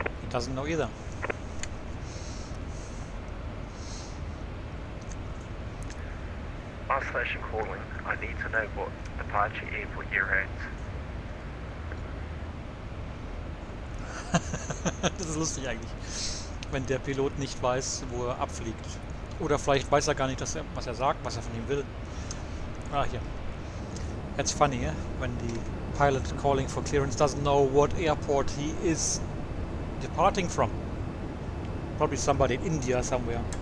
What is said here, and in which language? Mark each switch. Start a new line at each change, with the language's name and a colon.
English: Doesn't know either. Last station calling. I need to know what departure airport you're at.
German: Das ist lustig eigentlich, wenn der Pilot nicht weiß, wo er abfliegt. Oder vielleicht weiß er gar nicht, was er sagt, was er von ihm will.
English: Ah, hier. That's funny, eh? When the pilot calling for clearance doesn't know what airport he is departing from. Probably somebody in India somewhere.